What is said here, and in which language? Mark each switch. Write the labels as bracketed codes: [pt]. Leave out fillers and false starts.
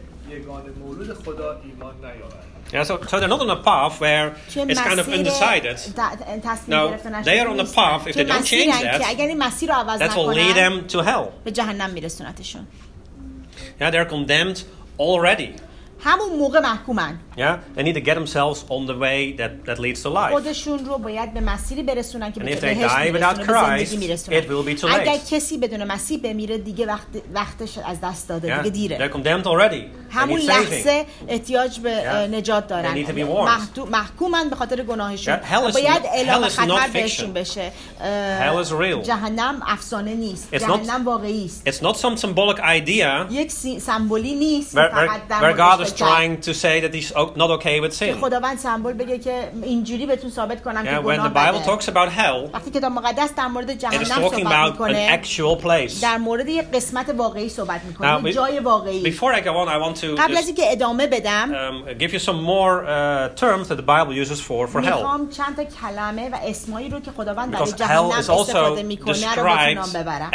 [en] Yeah, so they're not on a path where it's kind of undecided. No, they are on a path, if they don't change that, that will lead them to hell. Yeah, they're condemned already. [fa] همون موقع محکومن. [en] Yeah, they need to get themselves on the way that leads to life. [fa] خودشون رو باید به مسیری برسونن که بتونه بهش برسونن. [en] And if they die without Christ, it will be too late. [fa] اگر کسی بدون مسیح بمیره دیگه وقتش از دست داده، دیگه دیره. [en] They're condemned already. [fa] همون لحظه احتیاج به نجات دارن. [en] They need to be warned. [fa] محکومن به خاطر گناهشون. باید اعلام خطر بهشون بشه. [en] Hell is real. [fa] جهنم افسانه نیست. جهنم واقعی است. [en] It's not some symbolic idea. [fa] یک سمبولی نیست. [en] God is trying to say that he's not okay with sin. [fa] خداوند سمبول بگه که اینجوری بهتون ثابت کنم که گناه. [en] When the Bible talks about hell, [fa] وقتی کتاب مقدس در مورد جهنم صحبت میکنه, [en] it's talking about an actual place. [fa] در مورد یه قسمت واقعی صحبت میکنه, یه جای واقعی. [en] Before I go on, I want to [fa] قبل از اینکه ادامه بدم, [en] give you some more terms that the Bible uses for hell. [fa] میخوام چند تا کلمه و اسمایی رو که خداوند برای جهنم استفاده میکنه رو بهتون نام ببرم.